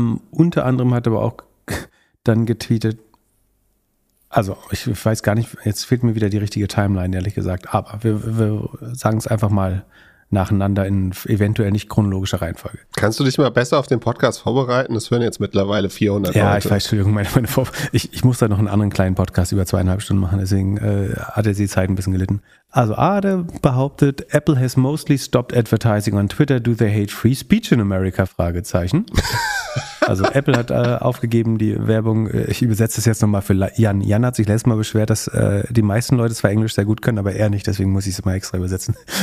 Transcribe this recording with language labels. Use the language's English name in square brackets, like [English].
[German] Unter anderem hat aber auch dann getweetet, also ich weiß gar nicht, jetzt fehlt mir wieder die richtige Timeline, ehrlich gesagt, aber wir sagen es einfach mal nacheinander in eventuell nicht chronologischer Reihenfolge. Kannst du dich mal besser auf den Podcast vorbereiten? Das hören jetzt mittlerweile 400 Leute. Ja, ich weiß, Entschuldigung, meine ich muss da noch einen anderen kleinen Podcast über 2,5 Stunden machen, deswegen hat er die Zeit ein bisschen gelitten. Also Ade behauptet, [English] Apple has mostly stopped advertising on Twitter. Do they hate free speech in America? [German] Fragezeichen. Also Apple hat aufgegeben, die Werbung, ich übersetze es jetzt nochmal für Jan. Jan hat sich letztes Mal beschwert, dass die meisten Leute zwar Englisch sehr gut können, aber er nicht, deswegen muss ich es mal extra übersetzen.